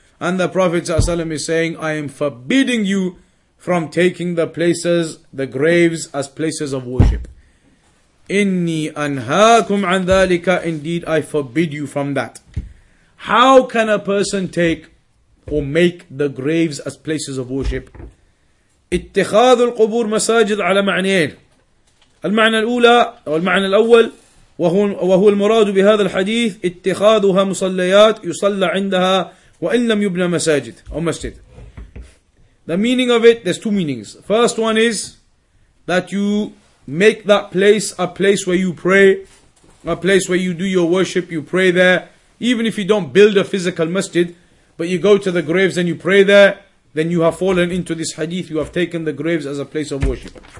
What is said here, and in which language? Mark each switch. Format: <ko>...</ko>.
<en>And the Prophet ﷺ is saying, I am forbidding you from taking the places, the graves, as places of worship.</en> <ar>Inni anhaakum an dhalika.</ar> <en>Indeed, I forbid you from that. How can a person take or make the graves as places of worship?</en> <ar>اتخاذ القبور مساجد على معنيين. المعنى الأولى أو المعنى الأول وهو المراد بهذا الحديث اتخاذها مصليات يصلى عندها وإن لم يبنى مساجد أو مسجد.</ar> <en>The meaning of it, there's two meanings. First one is that you make that place a place where you pray, a place where you do your worship, you pray there. Even if you don't build a physical masjid, but you go to the graves and you pray there, then you have fallen into this hadith, you have taken the graves as a place of worship.</en>